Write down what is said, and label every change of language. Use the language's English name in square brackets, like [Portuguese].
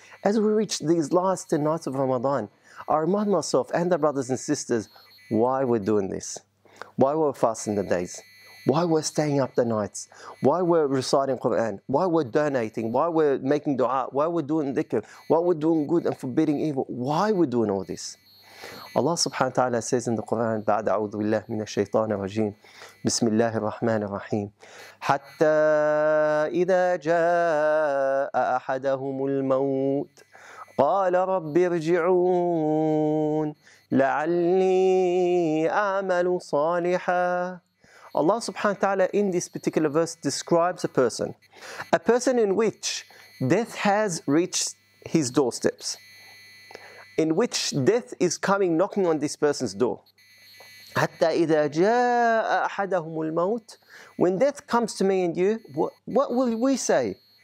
[English] As we reach these last 10 nights of Ramadan, I remind myself and the brothers and sisters why we're doing this, why we're fasting the days. Why we're staying up the nights? Why we're reciting Quran? Why we're donating? Why we're making dua? Why we're doing dhikr? Why we're doing good and forbidding evil? Why we're doing all this? [Arabic] Allah subhanahu wa ta'ala [English] says in the Quran, [Arabic] بعد أعوذ بالله من الشيطان الرجيم بسم الله الرحمن الرحيم حتى إذا جاء أحدهم الموت قال رب ارجعون لعلي أعمل صالحا. [English] Allah subhanahu wa ta'ala in this particular verse describes a person in which death has reached his doorsteps, in which death is coming knocking on this person's door. [Arabic] Hatta idha jaa ahadahumul maut, [English] when death comes to me and you, what will we say?